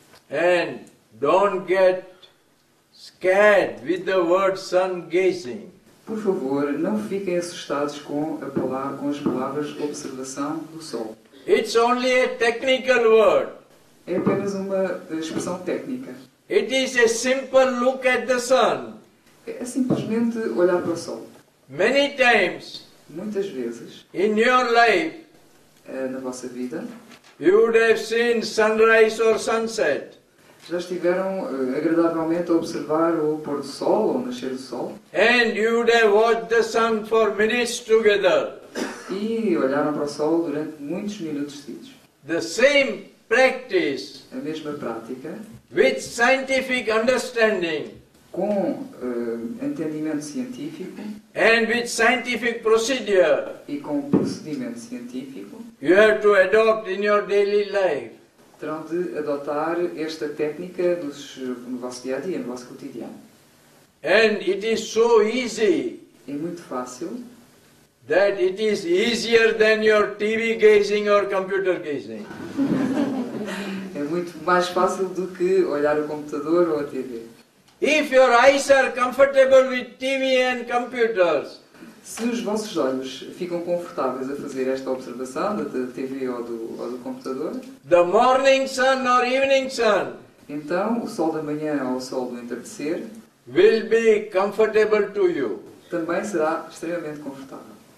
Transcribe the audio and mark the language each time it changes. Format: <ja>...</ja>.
<en>And don't get scared with the word sun gazing.</en> <pt>Por favor, não fiquem assustados com a palavra, com as palavras observação do sol.</pt> <en>It's only a technical word.</en> <pt>É apenas uma expressão técnica.</pt> <en>It is a simple look at the sun.</en> <pt>É simplesmente olhar para o sol.</pt> <en>Many times,</en> <pt>muitas vezes,</pt> <en>in your life,</en> <pt>na vossa vida,</pt> <en>you would have seen sunrise or sunset.</en> <pt>Já estiveram agradavelmente a observar o pôr do sol ou nascer do sol?</pt> <en>And you would have watched the sun for minutes together.</en> <pt>E olharam para o sol durante muitos minutos seguidos.</pt> <en>The same practice.</en> <pt>A mesma prática.</pt> <en>With scientific understanding.</en> <pt>Com entendimento científico.</pt> <en>And with scientific procedure.</en> <pt>E com procedimento científico.</pt> <en>You have to adopt in your daily life.</en> <pt>Terão de adotar esta técnica no vosso dia-a-dia, no vosso cotidiano.</pt> <en>And it is so easy.</en> <pt>É muito fácil.</pt> <en>That it is easier than your TV gazing or computer gazing.</en> <pt>É muito mais fácil do que olhar o computador ou a TV.</pt> <en>If your eyes are comfortable with TV and computers.</en> <pt>Se os vossos olhos ficam confortáveis a fazer esta observação da TV ou do computador,</pt> <en>the morning sun or evening sun,</en> <pt>então o sol da manhã ou o sol do entardecer,</pt> <en>will be comfortable to you,</en> <pt>também será extremamente confortável.</pt>